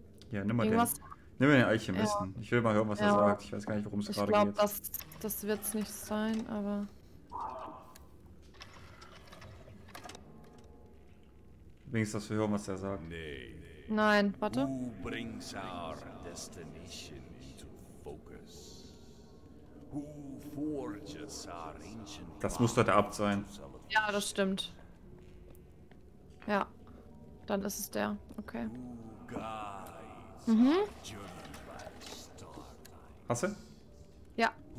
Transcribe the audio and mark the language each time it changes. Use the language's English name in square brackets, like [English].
[German] Ja, nimm mal den Alchemisten. Ja. Ich will mal hören, was er sagt. Ich weiß gar nicht, worum es gerade geht. Ich glaube, das wird es nicht sein, aber... Wenigstens, dass wir hören, was er sagt. Nein, warte. [English] Who brings our destination into focus? Who forges our ancient... [German] Das muss doch der Abt sein. Ja, das stimmt. Ja. Dann ist es der. Okay. Mhm. Hast du? Ja.